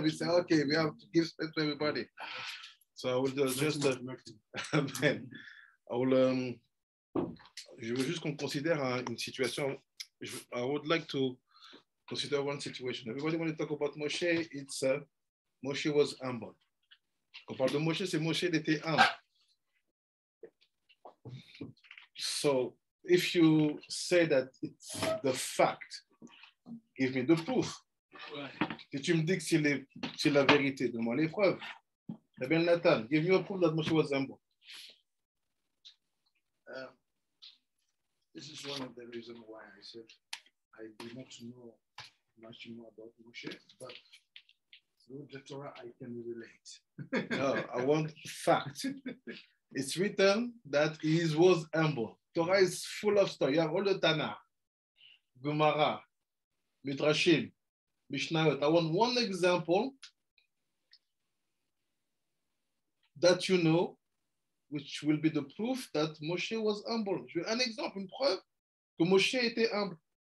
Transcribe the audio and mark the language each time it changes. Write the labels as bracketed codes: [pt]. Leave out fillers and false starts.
[en] We say, okay, we have to give space to everybody. So I will just, amen. [fr] Je veux juste qu'on considère une situation. [en] I would like to consider one situation. Everybody, when you talk about Moshe, it's Moshe was humble. [fr] Quand on parle de Moshe, c'est Moshe, il était humble. [en] So, if you say that it's the fact, give me the proof. [fr] Si tu me dis que c'est la vérité, donne-moi les preuves. Eh bien, [en] Nathan, give me a proof that Moshe was humble. This is one of the reasons why I said I do not know much more about Moshe, but through the Torah I can relate. No, I want fact. It's written that he was humble. Torah is full of stories. You have all the Tanakh, Gemara, Midrashim, Mishnayot. I want one example that you know, which will be the proof that Moshe was humble. [fr] Je veux un exemple, une preuve que Moshe était humble.